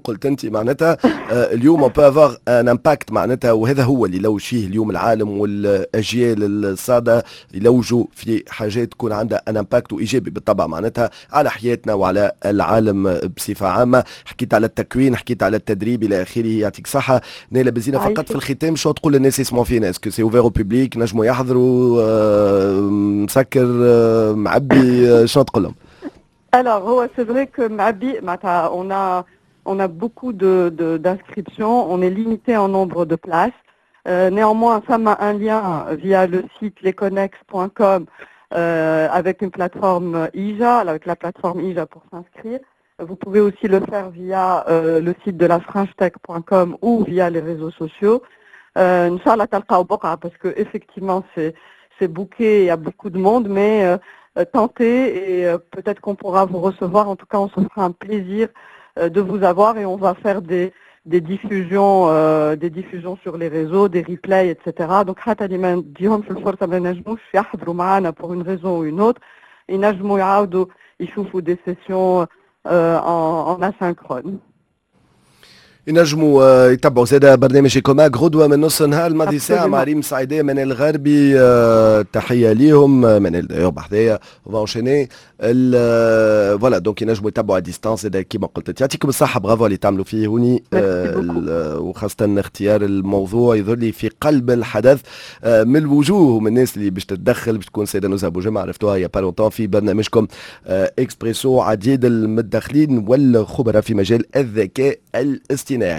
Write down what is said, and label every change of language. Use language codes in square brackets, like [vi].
[ar] قلت انت معناتها اليوم اون بو افوار ان امباكت، معناتها وهذا هو اللي لو شيه اليوم العالم والاجيال الصاده يلوجوا في حاجات تكون عندها ان امباكت وايجابي بالطبع على حياتنا وعلى العالم بصفة عامة. حكيت على التكوين، حكيت على التدريب إلى آخره، يعطيك صحة نيلة بزينة. فقط في الختام شو تقول للناس يسمعوا فينا؟ [fr] اسكو سي اوفير او بوبليك، [ar] نجموا يحضروا، مسكر، معبي، شو تقول لهم؟ [fr] alors هو c'est vrai que [ar] معبي معناتها [fr] on a beaucoup de d'inscriptions, on est limité en nombre de places. Néanmoins femme a un lien via le site lesconnex.com avec une plateforme IJA, avec la plateforme IJA pour s'inscrire. Vous pouvez aussi le faire via le site de la frangetech.com ou via les réseaux sociaux. Inch'Allah, talqa ou boqa, parce que effectivement c'est booké, il y a beaucoup de monde, mais tentez et peut-être qu'on pourra vous recevoir. En tout cas, on se fera un plaisir de vous avoir et on va faire des diffusions sur les réseaux, des replays, etc. Donc, pour une raison ou une autre, il y a des sessions en asynchrone. [ar] ينجموا يتبعوا زادا برنامج كوماك غدوة من نص النهار الماضي ساعة مع ريم سعيدية من الغربي، تحية ليهم من الدايور بحذية وانشيني فوالا. دونك ينجموا يتبعوا على ديستانس زادا كيما قلت. يعطيكم الصحة، برافو اللي تعملوا فيه هوني، وخاصة اختيار الموضوع يظهر لي في قلب الحدث، من الوجوه ومن الناس اللي باش تتدخل باش تكون سيدة نزهة بوجمع، عرفتوها يا بارونتون في برنامجكم اكسبريسو، عديد المتدخلين والخبراء في مجال الذكاء الاصطناعي.